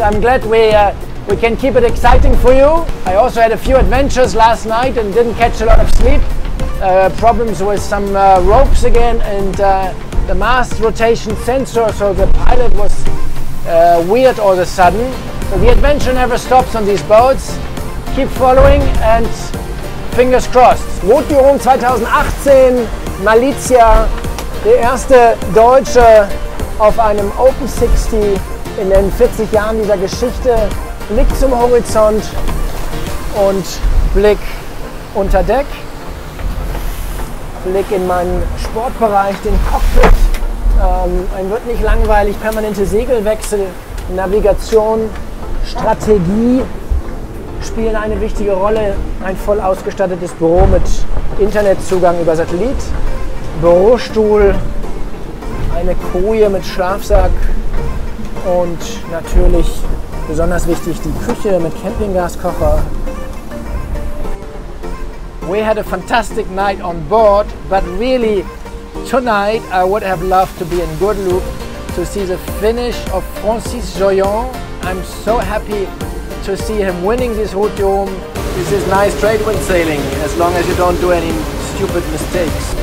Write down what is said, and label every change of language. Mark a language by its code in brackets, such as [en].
[en] I'm glad we can keep it exciting for you. I also had a few adventures last night and didn't catch a lot of sleep. Problems with some ropes again and the mast rotation sensor, so the pilot was weird all of a sudden. So the adventure never stops on these boats. Keep following and fingers crossed. [de] Wootjurung 2018, Malaysia, der erste Deutsche auf einem Open 60 in den 40 Jahren dieser Geschichte. Blick zum Horizont und Blick unter Deck. Blick in meinen Sportbereich, den Cockpit. Ein wird nicht langweilig, permanente Segelwechsel, Navigation, Strategie spielen eine wichtige Rolle. Ein voll ausgestattetes Büro mit Internetzugang über Satellit, Bürostuhl, eine Koje mit Schlafsack und natürlich besonders wichtig die Küche mit Campinggaskocher. [en] We had a fantastic night on board, but really tonight I would have loved to be in Guadeloupe to see the finish of Francis Joyon. I'm so happy to see him winning this Wootjurung. This is nice trade wind sailing, as long as you don't do any stupid mistakes.